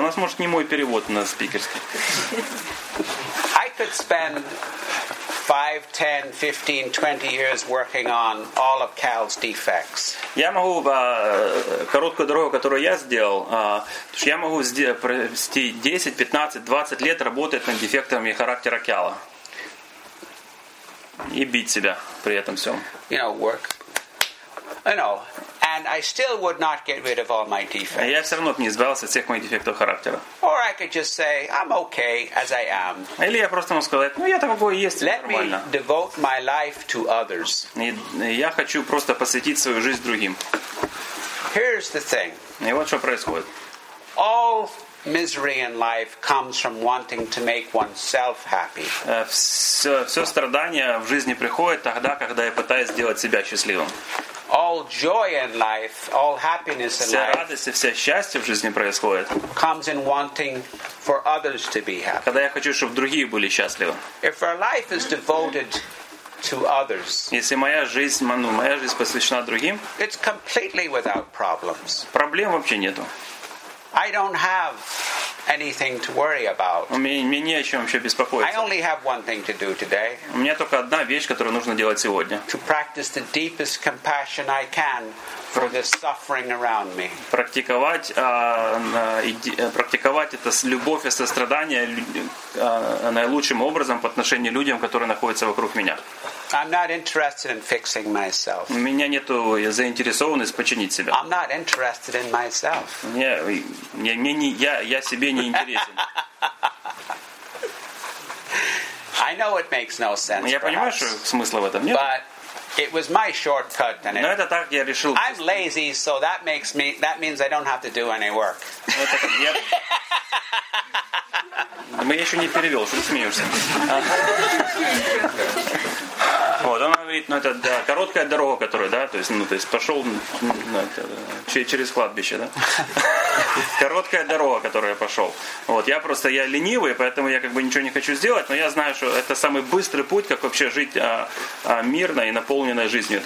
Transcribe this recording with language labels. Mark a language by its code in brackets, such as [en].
[ru] У нас, может, не мой перевод на спикерский. [en] I could spend 5, 10, 15, 20 years working on all of Cal's defects. [ru] Я могу короткую дорогу, которую я сделал, я могу провести 10, 15, 20 лет работать над дефектами характера Кала. И бить себя при этом всем. [en] You know, work. I know. and I still would not get rid of all my defects. [ru] Я все равно не избавился от всех моих дефектов характера. [en] Or I could just say I'm okay as I am. [ru] Или я просто могу сказать, ну я такой есть, нормально. [en] Let me devote my life to others. [ru] Я хочу просто посвятить свою жизнь другим. [en] Here's the thing. [ru] И вот что происходит. [en] All misery in life comes from wanting to make oneself happy. [ru] Все страдания в жизни приходят тогда, когда я пытаюсь сделать себя счастливым. [en] All joy in life, all happiness in life. [ru] Вся радость и все счастье в жизни происходит. [en] Comes in wanting for others to be happy. [ru] Когда я хочу, чтобы другие были счастливы. [en] If our life is devoted to others. [ru] Если моя жизнь посвящена другим. [en] It's completely without problems. [ru] Проблем вообще нету. [en] I don't have anything to worry about. [ru] Мне не о чем вообще беспокоиться. [en] I only have one thing to do today. [ru] У меня только одна вещь, которую нужно делать сегодня. [en] To practice the deepest compassion I can for the suffering around me. [ru] Практиковать это любовь и сострадание наилучшим образом по отношению к людям, которые находятся вокруг меня. [en] I'm not interested in fixing myself. [ru] У меня нету заинтересованности починить себя. [en] I'm not interested in myself. [ru] Я себе не интересен. [en] I know it makes no sense. [ru] Я понимаю, что смысла в этом нет. [en] But it was my shortcut, and [ru] it. Но это так я решил. [en] I'm lazy, so that means I don't have to do any work. [ru] Мы еще не перевел, что ты смеешься. Вот, он говорит, ну это да, короткая дорога, которая, да, то есть пошел через кладбище, да. Короткая дорога, которую я пошел. Вот, я ленивый, поэтому я как бы ничего не хочу сделать, но я знаю, что это самый быстрый путь, как вообще жить мирной и наполненной жизнью.